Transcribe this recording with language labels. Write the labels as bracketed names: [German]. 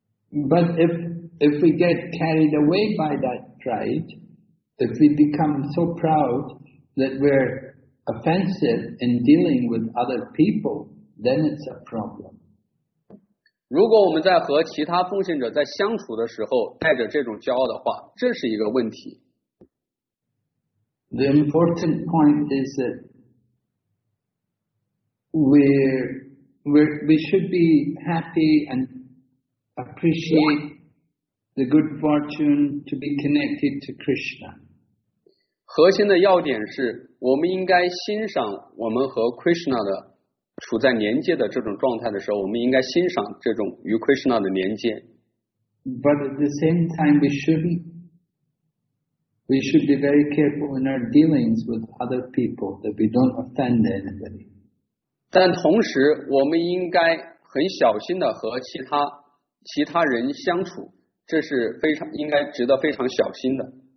[English] But if we get carried away by that pride, if we become so proud that we're offensive in dealing with other people, then it's a problem. [Chinese] 如果我们在和其他奉献者在相处的时候带着这种骄傲的话，这是一个问题。 [English] The important point is that we should be happy and appreciate the good fortune to be connected to Krishna. [Chinese] 核心的要点是我们应该欣赏我们和 Krishna 的处在连接的这种状态的时候，我们应该欣赏这种与 Krishna 的连接。 [English] But at the same time, we should be very careful in our dealings with other people that we don't offend anybody. [Chinese] 但同时我们应该很小心的和其他人相处，这是非常应该值得非常小心的。